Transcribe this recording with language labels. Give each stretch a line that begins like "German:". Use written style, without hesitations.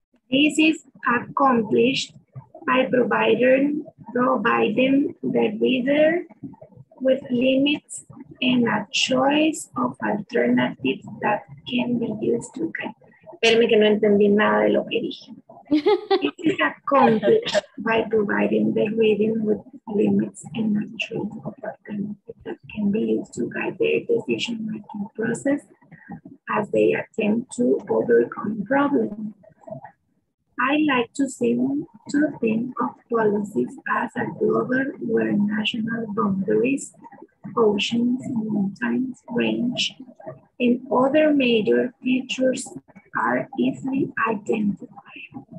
English: This is accomplished by providing the reader with limits and a choice of alternatives that can be used to guide.
Spanish: Espérame que no entendí nada de lo que dije.
English: This is accomplished by providing the reader with limits and a choice of alternatives that can be used to guide their decision-making process as they attempt to overcome problems. I like to think of policies as a global where national boundaries, oceans, mountains, range, and other major features are easily identified.